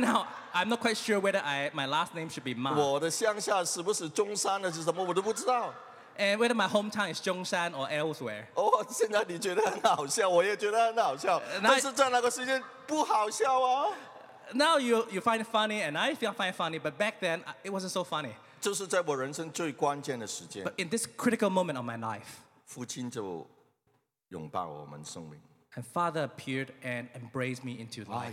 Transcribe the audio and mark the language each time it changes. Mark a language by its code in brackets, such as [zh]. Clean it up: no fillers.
[en] now, I'm not quite sure whether my last name should be Ma. [zh] 我的乡下是不是中山的是什么，我都不知道。And [en] whether my hometown is Zhongshan or elsewhere. [zh] 哦，现在你觉得很好笑，我也觉得很好笑，但是在那个时间不好笑啊。 [en] Now you find it funny, and I feel find it funny, but back then, it wasn't so funny. [zh] 就是在我人生最关键的时间, [en] but in this critical moment of my life, [zh] 父亲就拥抱我们生命, [en] and Father appeared and embraced me into life.